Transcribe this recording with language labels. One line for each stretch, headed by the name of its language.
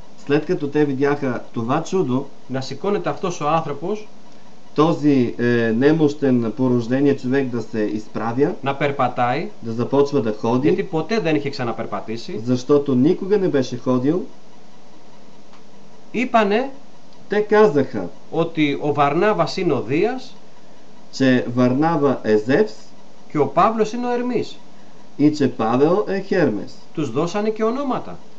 Bulgarian: След като те видяха това чудо.
Greek: Να σηκώνεται αυτός ο άνθρωπος.
Bulgarian: Този немощен по рождение човек да се изправя,
Greek: на перпатай,
Bulgarian: да започва да ходи,
Greek: γιατί ποτέ δεν είχε ξαναπερπατήσει,
Bulgarian: защото никога не беше ходил,
Greek: είπανε,
Bulgarian: те казаха,
Greek: ότι ο Варнавас είναι ο Δίας,
Bulgarian: че Варнава е Зевс,
Greek: και ο Παύλος είναι ο Ερμής,
Bulgarian: и че Павел е Хермес.
Greek: Τους δώσανε και ονόματα.